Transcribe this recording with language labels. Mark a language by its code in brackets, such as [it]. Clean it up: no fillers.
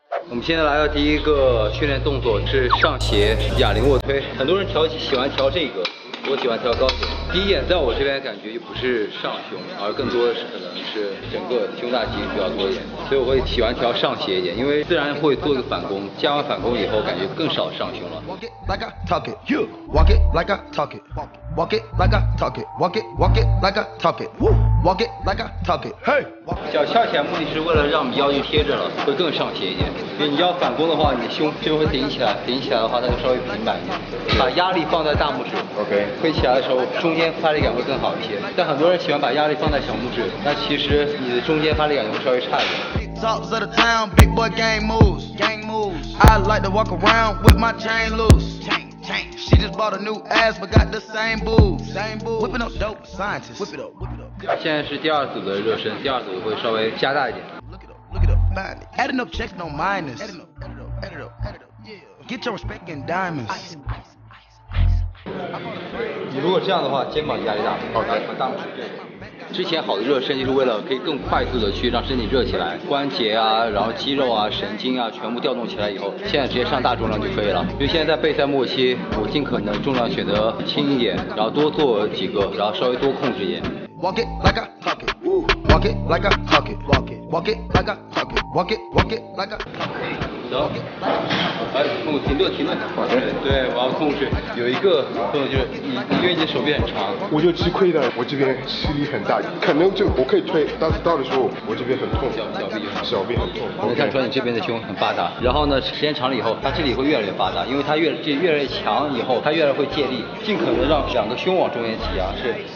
[zh] 我们现在来到第一个训练动作是上斜哑铃卧推，很多人调喜欢调这个，我喜欢调高点。第一眼在我这边感觉就不是上胸，而更多的是可能是整个胸大肌比较多一点，所以我会喜欢调上斜一点，因为自然会做一个反攻，加完反攻以后感觉更少上胸了。 [en] Walk it like I talk it, you walk it like I talk it, walk it like I talk it, walk it like I talk it, walk it like I talk it, hey。 [zh] 脚翘起来目的是为了让你腰就贴着了，会更上斜一点。因为你要反攻的话，你胸就会顶起来，顶起来的话它就稍微平板一点。把压力放在大拇指，OK。推起来的时候，中间发力感会更好一些。但很多人喜欢把压力放在小拇指，那其实你的中间发力感就会稍微差一点。 [en] Talks of the town, big boy gang moves, gang moves. I like to walk around with my chain loose. Chain, chain. She just bought a new ass, but got the same boobs. Same boobs. Whipping up dope scientists. Whip it up, whip it up. [zh] 现在是第二组的热身，第二组会稍微加大一点。 [en] Look it up, look it up, find it. Adding up checks, no minus. Adding up, add it up, add it up, add it up. Yeah. Get your respect in diamonds. Ice, ice, ice, ice. [zh] 你如果这样的话，肩膀压力大，好大，大拇指对。之前好的热身就是为了可以更快速的去让身体热起来，关节啊，然后肌肉啊，神经啊，全部调动起来以后，现在直接上大重量就可以了。因为现在在备赛末期，我尽可能重量选择轻一点，然后多做几个，然后稍微多控制一点。 [en] Walk it like I talk it, walk it like I talk it, walk it, walk it like I talk it, walk it, walk it like I talk it. [zh] 停顿，对，我要控制。有一个动作就是你因为你的手臂很长，我就吃亏的，我这边吃力很大，可能就我可以推，但是到的时候我这边很痛，小臂很痛。能看出来你这边的胸很发达，然后呢，时间长了以后，它这里会越来越发达，因为它越来越强，以后它越来越会借力，尽可能让两个胸往中间挤压，是。